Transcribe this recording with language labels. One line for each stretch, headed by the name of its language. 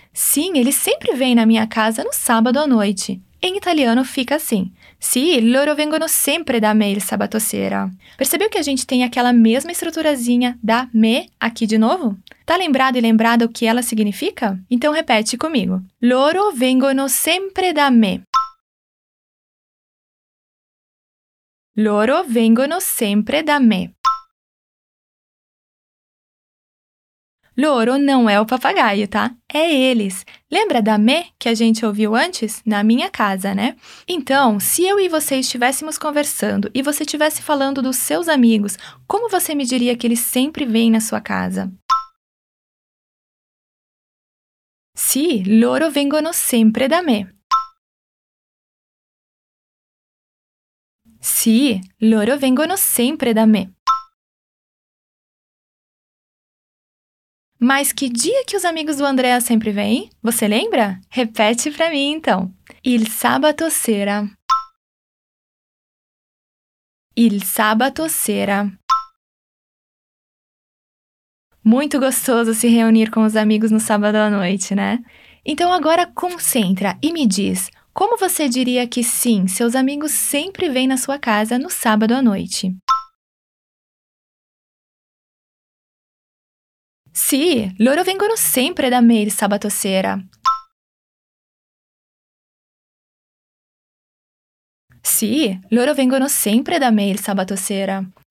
Portuguese: Sim, ele sempre vem na minha casa no sábado à noite. Em italiano fica assim.
Italian: Sì, loro vengono sempre da me il sabato sera.
Portuguese: Percebeu que a gente tem aquela mesma estruturazinha da me aqui de novo? Tá lembrado e lembrada o que ela significa? Então repete comigo.
Italian: Loro vengono sempre da me. Loro vengono sempre da me.
Portuguese: Loro não é o papagaio, tá? É eles. Lembra da me que a gente ouviu antes? Na minha casa, né? Então, se eu e você estivéssemos conversando e você estivesse falando dos seus amigos, como você me diria que eles sempre vêm na sua casa?
Italian: Sì, loro vengono sempre da me. Sì, loro vengono sempre da me.
Portuguese: Mas que dia que os amigos do Andrea sempre vêm? Você lembra? Repete pra mim, então.
Italian: Il sabato sera. Il sabato sera.
Portuguese: Muito gostoso se reunir com os amigos no sábado à noite, né? Então agora concentra e me diz, como você diria que sim, seus amigos sempre vêm na sua casa no sábado à noite?
Italian: Sì, loro vengono sempre da me il sabato sera. Sì, loro vengono sempre da me il sabato sera.